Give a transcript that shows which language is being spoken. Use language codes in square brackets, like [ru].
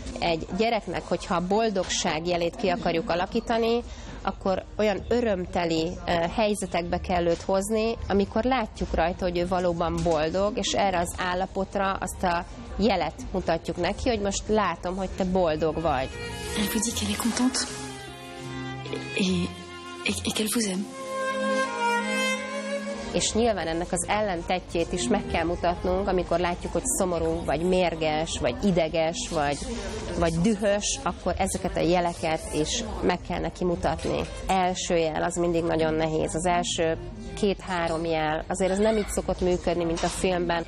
[hu] Egy gyereknek, hogyha a boldogság jelét ki akarjuk alakítani, akkor olyan örömteli helyzetekbe kell őt hozni, amikor látjuk rajta, hogy ő valóban boldog, és erre az állapotra azt a jelet mutatjuk neki, hogy most látom, hogy te boldog vagy. [fr] Elle vous dit qu'elle est contente et qu'elle vous aime. [hu] És nyilván ennek az ellentétjét is meg kell mutatnunk, amikor látjuk, hogy szomorú, vagy mérges, vagy ideges, vagy dühös, akkor ezeket a jeleket is meg kell neki mutatni. Első jel az mindig nagyon nehéz. Az első 2-3 jel, azért az nem így szokott működni, mint a filmben.